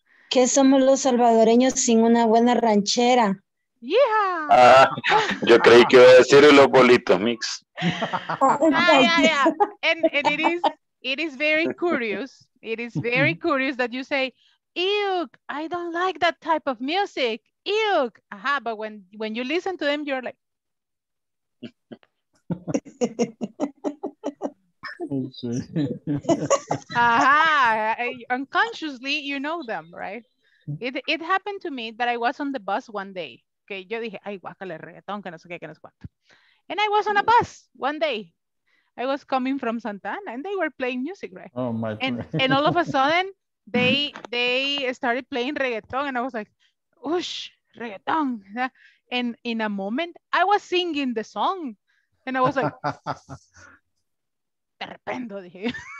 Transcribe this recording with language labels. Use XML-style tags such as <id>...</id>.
<es>¿Qué somos los salvadoreños sin una buena ranchera?</es> <en>Yeah.</en> <es>Yo creí que iba a decir los bolitos, mix.</es> <en>Yeah. And it is very curious. It is very curious that you say, ew, I don't like that type of music. Ew. Aha, but when you listen to them, you're like. Aha, unconsciously, you know them, right? It happened to me that I was on the bus one day.</en> <es>Okay, yo dije, ay, guácale, reggaetón, que no sé qué, que no sé cuánto.</es> <en>And I was on a bus one day. I was coming from Santa Ana and they were playing music, right? Oh, my God. And all of a sudden, they started playing reggaeton and I was like, ush, reggaeton. And in a moment, I was singing the song and I was like,</en> <es>te arrependo, dije.</es>